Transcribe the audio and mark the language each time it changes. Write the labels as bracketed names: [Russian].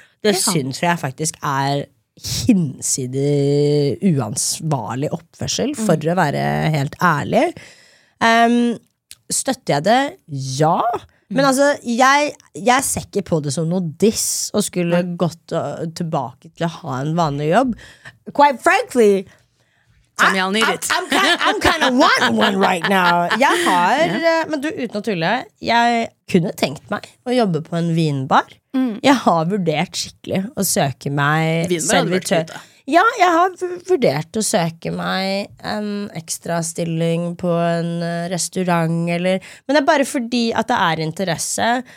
[Norwegian] Det synes jeg faktisk hinsidig uansvarlig oppførsel, for å være helt ærlig. Støtter jeg det? Ja. Men altså, jeg ser ikke på det som noe diss og skulle gått tilbake til å ha en vanlig jobb. [English] Quite frankly, I'm kind of wanting one right now. [Norwegian] Jeg har, men du, uten å tulle, jeg kunne tenkt meg å jobbe på en vinbar. Jeg har vurdert skikkelig å søke meg servitør. Ja, jeg har vurdert å søke meg en ekstra stilling på en restaurant eller, men det bare fordi at det interesse.